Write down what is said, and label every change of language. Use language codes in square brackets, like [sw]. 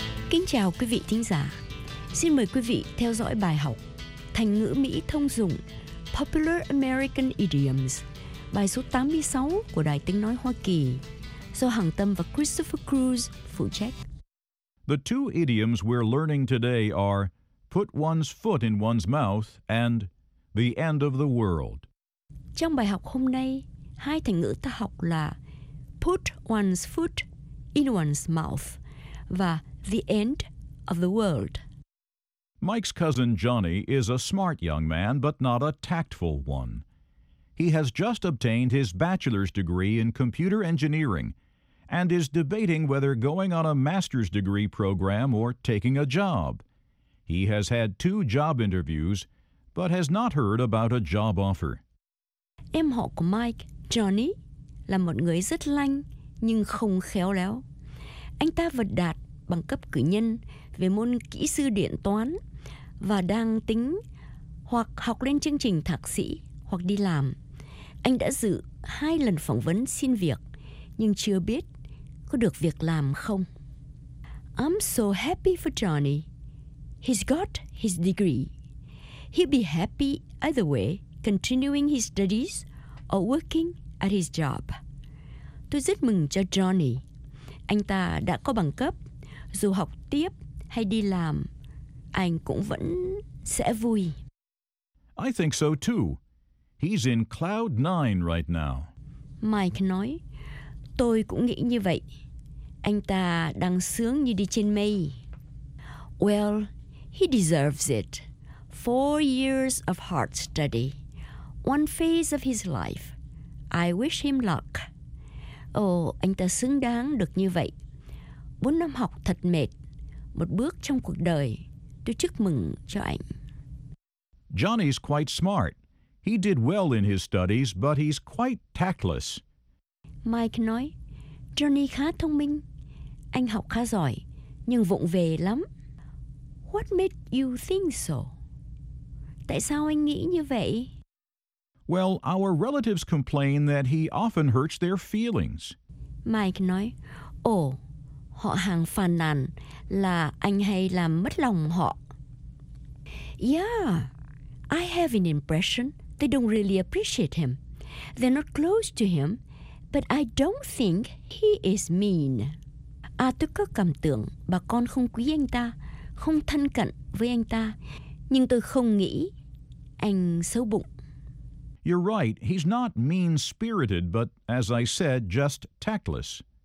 [vi] Kính chào quý vị thính giả. Xin mời quý vị theo dõi bài học thành ngữ Mỹ thông dụng Popular American Idioms, bài số 86 của Đài Tiếng Nói Hoa Kỳ, do Hằng Tâm và Christopher Cruz phụ trách. [en] The two idioms we're learning today are put one's foot in one's mouth and the end of the world. [vi] Trong bài học hôm nay, hai thành ngữ ta học là [en] put one's foot in one's mouth [vi] và [en] the end of the world. Mike's cousin Johnny is a smart young man, but not a tactful one. He has just obtained his bachelor's degree in computer engineering and is debating whether going on a master's degree program or taking a job. He has had two job interviews, but has not heard about a job offer. [vi] Em họ của Mike, Johnny, là một người rất lanh nhưng không khéo léo. Anh ta vừa đạt bằng cấp cử nhân về môn kỹ sư điện toán và đang tính hoặc học lên chương trình thạc sĩ hoặc đi làm. Anh đã dự hai lần phỏng vấn xin việc nhưng chưa biết có được việc làm không. [en] I'm so happy for Johnny. He's got his degree. He'll be happy either way, continuing his studies or working at his job. [vi] Tôi rất mừng cho Johnny. Anh ta đã có bằng cấp. Dù học tiếp hay đi làm, anh cũng vẫn sẽ vui. [en] I think so too. He's in cloud nine right now. [vi] Mike nói, tôi cũng nghĩ như vậy. Anh ta đang sướng như đi trên mây. [en] Well, he deserves it. 4 years of hard study. One phase of his life. I wish him luck. [vi] Ồ, anh ta xứng đáng được như vậy. 4 năm học thật mệt. Một bước trong cuộc đời. Tôi chúc mừng cho anh. [en] Johnny's quite smart. He did well in his studies, but he's quite tactless. [vi] Mike nói, Johnny khá thông minh. Anh học khá giỏi, nhưng vụng về lắm. [en] What made you think so? [vi] Tại sao anh nghĩ như vậy? [en] Well, our relatives complain that he often hurts their feelings. [vi] Mike nói, ồ, họ hàng phàn nàn là anh hay làm mất lòng họ. [en] Yeah, I have an impression they don't really appreciate him. They're not close to him, but I don't think he is mean. [vi] À, tôi có cảm tưởng bà con không quý anh ta, không thân cận với anh ta, nhưng tôi không nghĩ anh xấu bụng. [en] You're right, he's not mean-spirited, but as I said, just tactless.